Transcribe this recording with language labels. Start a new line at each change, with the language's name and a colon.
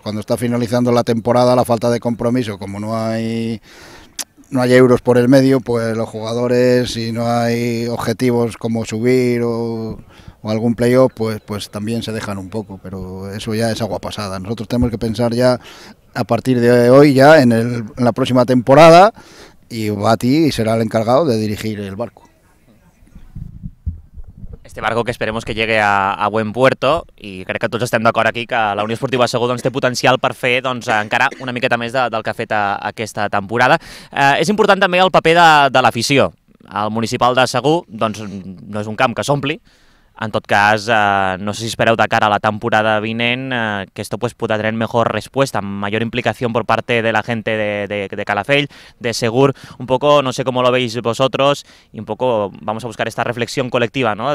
Spanish: Cuando está finalizando la temporada, la falta de compromiso, como no hay euros por el medio, pues los jugadores, si no hay objetivos como subir o algún playoff, pues también se dejan un poco, pero eso ya es agua pasada. Nosotros tenemos que pensar ya a partir de hoy, ya en la próxima temporada, y Bati será el encargado de dirigir el barco. Este barco que esperemos que llegue a buen puerto,
Catalan: i crec que tots estem d'acord aquí que la Unió Esportiva Segur doncs, té potencial per fer doncs, encara una miqueta més del que ha fet aquesta temporada. És important també el paper de l'afició. El municipal de Segur doncs, no és un camp que s'ompli. En tot cas, no sé si espereu de cara a la temporada vinent que
Spanish: esto pues, pueda tener mejor respuesta, mayor implicación por parte de la gente de Calafell, de Segur. Un poco, no sé cómo lo veis vosotros, y un poco vamos a buscar esta reflexión colectiva, ¿no?